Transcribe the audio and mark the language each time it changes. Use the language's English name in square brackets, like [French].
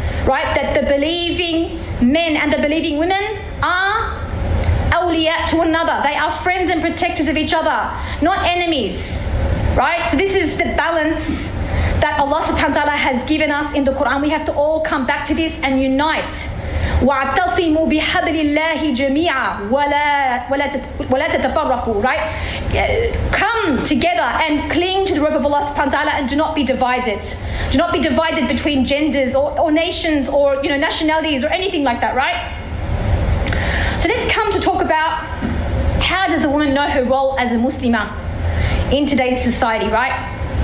[English] Right, that the believing men and the believing women are awliya to one another. They are friends and protectors of each other, not enemies. Right, so this is the balance that Allah subhanahu wa ta'ala has given us in the Quran. We have to all come back to this and unite. [Arabic] وَعَتَصِمُوا بِحَبْلِ اللَّهِ جَمِيعًا وَلَا تَتَفَرَّقُوا, right? [English] Come together and cling to the rope of Allah subhanahu wa ta'ala and do not be divided. Do not be divided between genders or nations or, you know, nationalities or anything like that, right? So let's come to talk about how does a woman know her role as a Muslimah in today's society, right?